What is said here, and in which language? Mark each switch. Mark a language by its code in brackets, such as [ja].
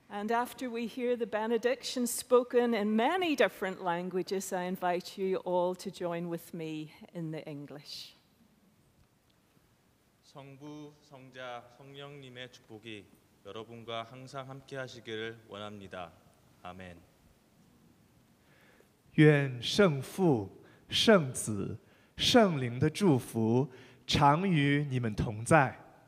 [en] After we hear the benediction spoken in many different languages, I invite you all to join with me in the English. [ko] 성부, 성자, 성령님의 축복이 여러분과 항상 함께 하시기를 원합니다. 아멘. [zh] 愿 圣父, 圣子, 圣灵的祝福常与你们同在.